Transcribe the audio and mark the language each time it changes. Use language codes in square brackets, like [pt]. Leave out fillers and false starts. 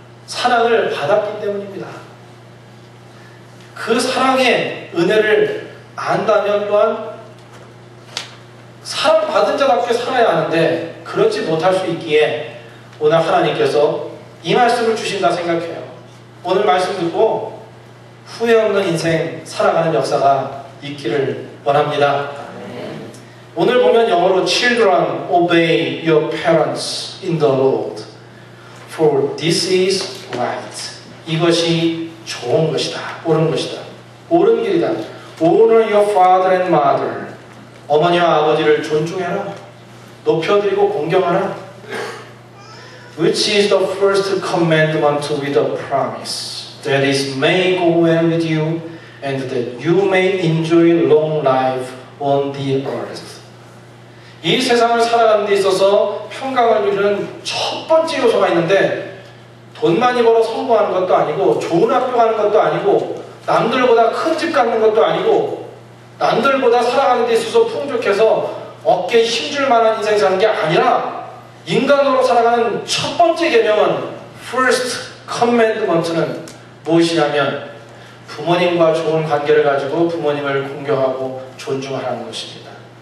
[ko] 사랑을 받았기 때문입니다. 그 사랑의 은혜를 안다면 또한 사랑받은 자답게 살아야 하는데 그렇지 못할 수 있기에 오늘 하나님께서 이 말씀을 주신다 생각해요. 오늘 말씀 듣고 후회 없는 인생 살아가는 역사가 있기를 원합니다. 오늘 보면 영어로 [en] Children, obey your parents in the Lord. For this is right. [ko] 이것이 좋은 것이다. 옳은 것이다. 옳은 길이다. [en] Honor your father and mother. [ko] 어머니와 아버지를 존중해라. 높여드리고 공경하라. [en] Which is the first commandment with a promise that it may go well with you and that you may enjoy long life on the earth. [ko] 이 세상을 살아가는 데 있어서 평강을 누리는 첫 번째 요소가 있는데 돈 많이 벌어 성공하는 것도 아니고 좋은 학교 가는 것도 아니고 남들보다 큰 집 갖는 것도 아니고 남들보다 살아가는 데 있어서 풍족해서 어깨에 힘줄 만한 인생 사는 게 아니라 인간으로 살아가는 첫 번째 개념은 First Commandment는 무엇이냐면 부모님과 좋은 관계를 가지고 부모님을 공경하고 존중하라는 것입니다.